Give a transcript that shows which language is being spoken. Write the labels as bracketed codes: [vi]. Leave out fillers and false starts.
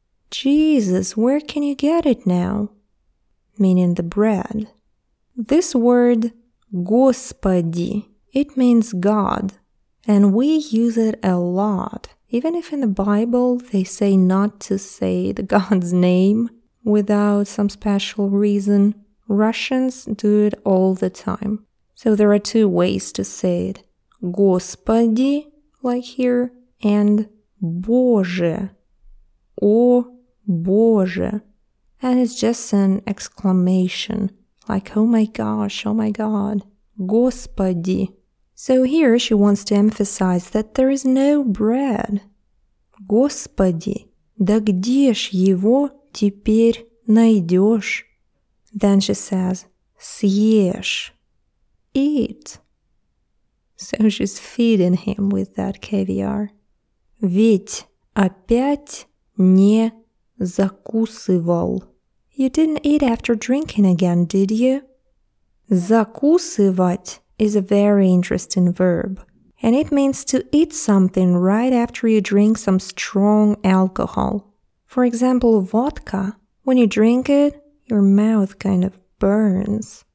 [en] Jesus, where can you get it now? Meaning the bread. This word, Господи, it means God. And we use it a lot. Even if in the Bible they say not to say the God's name without some special reason, Russians do it all the time. So there are two ways to say it. [ru] Господи, [en] like here, and [ru] Боже, о Боже. [en] And it's just an exclamation, like, oh my gosh, oh my God, Господи. So here she wants to emphasize that there is no bread. [ru] Господи, да где ж его теперь найдешь? [en] Then she says, съешь, eat. So she's feeding him with that caviar. [ru] Ведь опять не закусывал. [en] You didn't eat after drinking again, did you? Закусывать is a very interesting verb. And it means to eat something right after you drink some strong alcohol. For example, vodka. When you drink it, your mouth kind of burns.